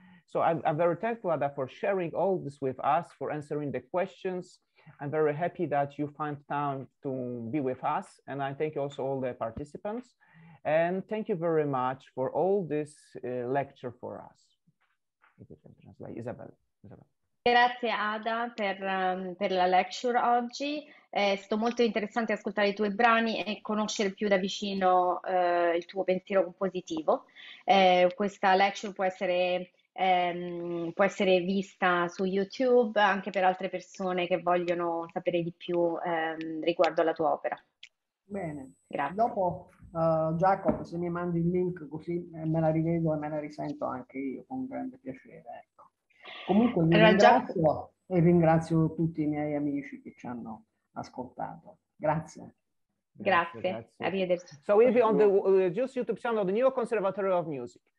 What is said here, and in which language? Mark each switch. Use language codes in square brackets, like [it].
[en] So I'm very thankful, Ada, for sharing all this with us, for answering the questions. I'm very happy that you find time to be with us. And I thank you also all the participants. And thank you very much for all this lecture for us. Translate. Isabel. Isabel. [it] Grazie Ada per la lecture oggi, è stato molto interessante ascoltare i tuoi brani e conoscere più da vicino il tuo pensiero compositivo. Questa lecture può essere vista su YouTube anche per altre persone che vogliono sapere di più riguardo alla tua opera. Bene, grazie. Dopo Giacomo, se mi mandi il link così me la rivedo e me la risento anche io con grande piacere. Comunque vi ringrazio e ringrazio tutti i miei amici che ci hanno ascoltato. Grazie. Grazie. Arrivederci. [en] So we'll be on the just YouTube channel of the New York Conservatory of Music.